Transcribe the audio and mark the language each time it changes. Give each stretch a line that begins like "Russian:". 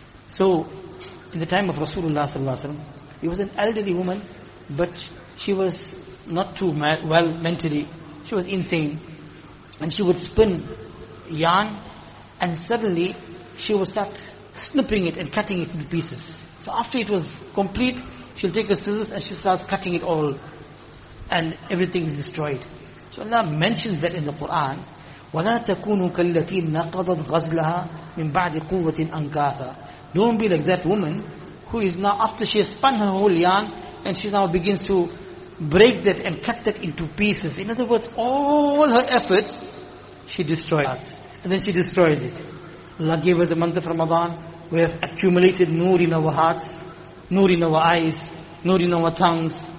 English: So, in the time of Rasulullah sallallahu alaihi wasallam, he was an elderly woman, but she was not too well mentally. She was insane. And she would spin yarn, and suddenly she would start snipping it and cutting it into pieces. So after it was complete, she'll take her scissors and she starts cutting it all, and everything is destroyed. So Allah mentions that in the Quran,
Arabic: وَلَا تَكُونُوا كَالَّتِي نَقَضَتْ غَزْلَهَا مِنْ بَعْدِ قُوَّةٍ أَنْكَاثَ.
English: Don't be like that woman who is now, after she has spun her whole yarn, and she now begins to break that and cut that into pieces. In other words, all her efforts, she destroys it. And then she destroys it. Allah gave us a month of Ramadan. We have accumulated noor in our hearts, noor in our eyes, noor in our tongues.